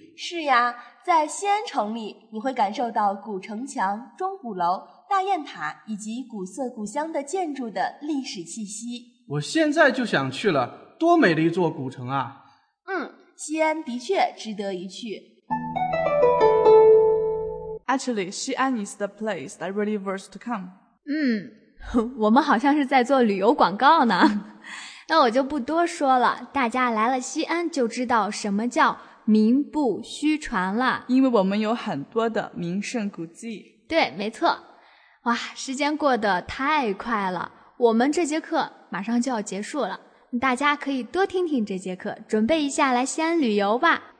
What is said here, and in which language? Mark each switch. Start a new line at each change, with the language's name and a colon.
Chinese: 是呀，在西安城里你会感受到古城墙、钟鼓楼、大雁塔以及古色古香的建筑的历史气息。我现在就想去了，多美的一座古城啊。嗯，西安的确值得一去。
English: Actually, 西安 is the place that really worth to come.
Chinese: 嗯，我们好像是在做旅游广告呢。那我就不多说了，大家来了西安就知道什么叫名不虚传了，因为我们有很多的名胜古迹。对，没错。哇，时间过得太快了，我们这节课马上就要结束了，大家可以多听听这节课，准备一下来西安旅游吧。